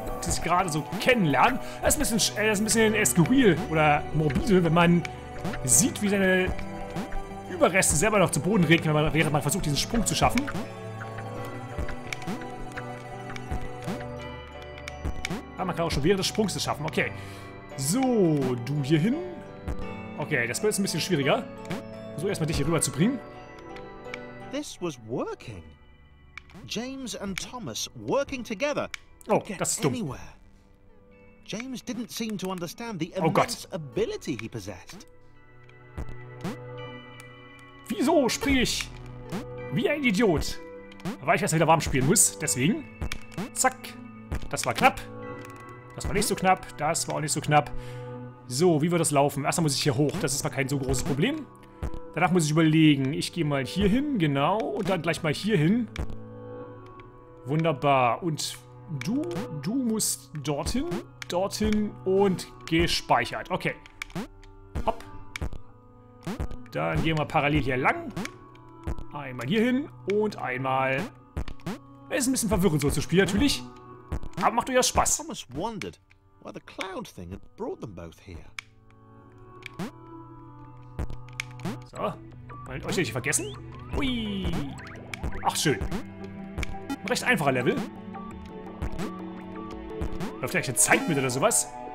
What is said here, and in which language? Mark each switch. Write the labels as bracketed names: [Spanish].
[German] Sich gerade so kennenlernen. Das ist ein bisschen skurril oder morbide, wenn man sieht, wie seine Überreste selber noch zu Boden regnen, wenn man, während man versucht, diesen Sprung zu schaffen. Aber man kann auch schon während des Sprungs es schaffen. Okay. So, du hier hin. Okay, das wird jetzt ein bisschen schwieriger. So, erstmal dich hier rüber zu bringen. [English] This was working. James and Thomas working together. [German] Oh, das ist dumm. [English] James didn't seem to understand the immense ability he possessed. [German] Wieso springe ich wie ein Idiot? Weil ich erst wieder warm spielen muss, deswegen. Zack. Das war knapp. Das war nicht so knapp. Das war auch nicht so knapp. So, wie wird das laufen? Erstmal muss ich hier hoch. Das ist mal kein so großes Problem. Danach muss ich überlegen. Ich gehe mal hier hin, genau. Und dann gleich mal hier hin. Wunderbar. Und... Du musst dorthin und gespeichert. Okay. Hopp. Dann gehen wir parallel hier lang. Einmal hier hin und einmal. Ist ein bisschen verwirrend, so zu spielen, natürlich. Aber macht durchaus Spaß. [English] Thomas wondered why the cloud thing had brought them both here. [German] So, wollt euch nicht vergessen? Hui! Ach, schön. Ein recht einfacher Level. Läuft vielleicht eine Zeit mit oder sowas?